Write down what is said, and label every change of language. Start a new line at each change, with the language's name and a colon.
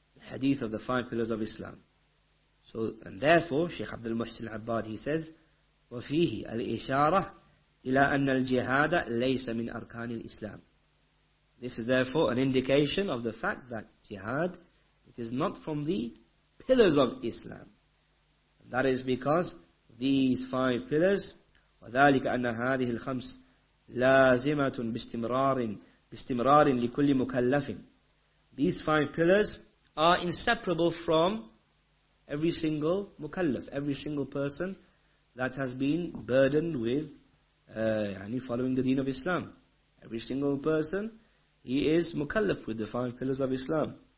English: Hadith of the five pillars of Islam. So, and therefore, Shaykh Abdul Muhsin al-Abbad, he says,
Arabic: وَفِيهِ الْإِشَارَةِ إِلَىٰ أَنَّ الْجِهَادَ لَيْسَ مِنْ أَرْكَانِ الْإِسْلَامِ.
English: This is therefore an indication of the fact that jihad, it is not from the pillars of Islam. And that is because these five pillars,
Arabic: وَذَلِكَ أَنَّ هَذِهِ الْخَمْسِ لَازِمَةٌ بِاسْتِمْرَارٍ لِكُلِّ مُكَلَّفٍ.
English: These five pillars are inseparable from every single mukallaf, every single person that has been burdened with following the deen of Islam. Every single person, he is mukallaf with the five pillars of Islam.